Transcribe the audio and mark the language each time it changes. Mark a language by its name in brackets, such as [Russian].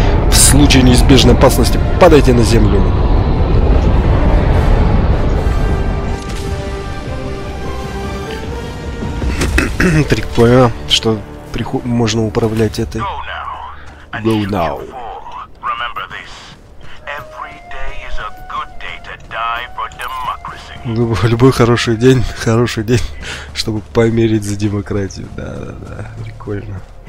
[Russian] В случае неизбежной опасности падайте на землю. Прикольно, что можно управлять этой. [English] Go now. Remember this. Every day is a good day to die for democracy. [Russian] Любой хороший день, чтобы померить за демократию. Да, да, да, прикольно.